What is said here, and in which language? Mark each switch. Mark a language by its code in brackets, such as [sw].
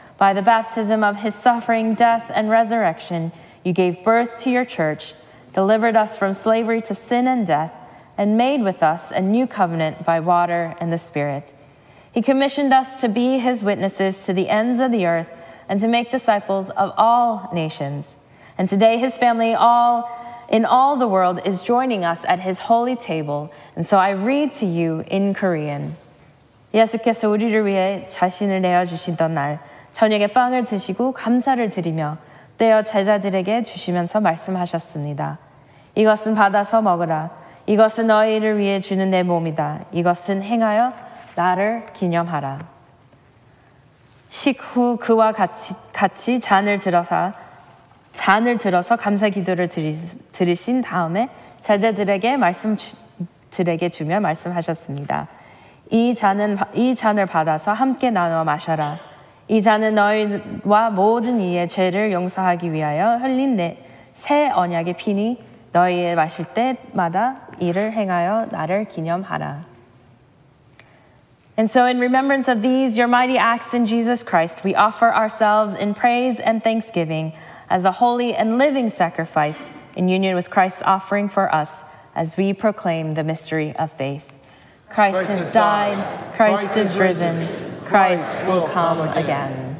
[en] By the baptism of his suffering, death, and resurrection, you gave birth to your church, delivered us from slavery to sin and death, and made with us a new covenant by water and the Spirit. He commissioned us to be his witnesses to the ends of the earth and to make disciples of all nations. And today his family all in all the world is joining us at his holy table. And so I read to you in Korean. [ko] 예수께서 우리를 위해 자신을 내어주시던 날, 저녁에 빵을 드시고 감사를 드리며 떼어 제자들에게 주시면서 말씀하셨습니다. 이것은 받아서 먹으라. 이것은 너희를 위해 주는 내 몸이다. 이것은 행하여 나를 기념하라. 식후 그와 같이 잔을 들어서 감사 기도를 드리신 다음에 제자들에게 주며 말씀하셨습니다. 이 잔을 받아서 함께 나누어 마셔라. 이 잔은 너희와 모든 이의 죄를 용서하기 위하여 흘린 내 새 언약의 피니 너희의 마실 때마다 이를 행하여 나를 기념하라. [en] And so in remembrance of these, your mighty acts in Jesus Christ, we offer ourselves in praise and thanksgiving as a holy and living sacrifice in union with Christ's offering for us as we proclaim the mystery of faith. Christ has died. Christ is risen. Christ will come again.